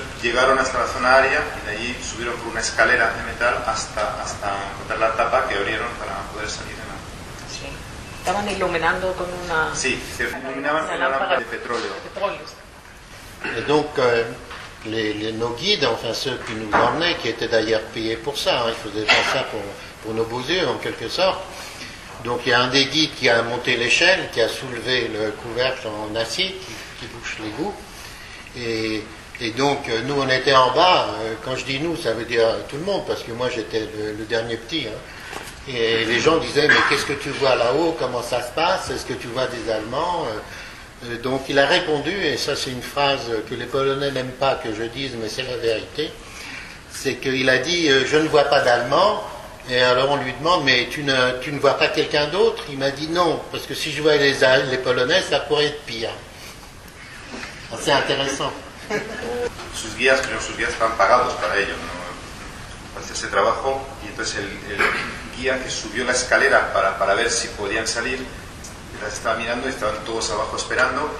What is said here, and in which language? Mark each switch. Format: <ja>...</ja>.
<es>Llegaron hasta la zona área y de allí subieron por una escalera de metal hasta encontrar la tapa que abrieron para poder salir. Estaban iluminando con una... Sí, se iluminaban con una lámpara de petróleo.</es> <fr>Et donc, nos guides, enfin ceux qui nous emmenaient, qui étaient d'ailleurs payés pour ça, hein, ils faisaient pas ça pour nos beaux yeux, en quelque sorte. Donc, il y a un des guides qui a monté l'échelle, qui a soulevé le couvercle en acier, qui bouche les goûts. Et donc, nous, on était en bas. Quand je dis nous, ça veut dire tout le monde, parce que moi, j'étais le dernier petit. Hein. Et les gens disaient, mais qu'est-ce que tu vois là-haut? Comment ça se passe? Est-ce que tu vois des Allemands? Donc il a répondu, et ça c'est une phrase que les Polonais n'aiment pas que je dise, mais c'est la vérité, c'est qu'il a dit « Je ne vois pas d'Allemands, Et alors on lui demande, mais tu ne vois pas quelqu'un d'autre? Il m'a dit non, parce que si je voyais les Polonais, ça pourrait être pire. C'est intéressant.</fr> <es>Sus guías, creo que sus guías están pagados para ello, ¿no? Para hacer ese trabajo, y entonces el guía que subió la escalera para ver si podían salir, las estaba mirando y estaban todos abajo esperando.</es>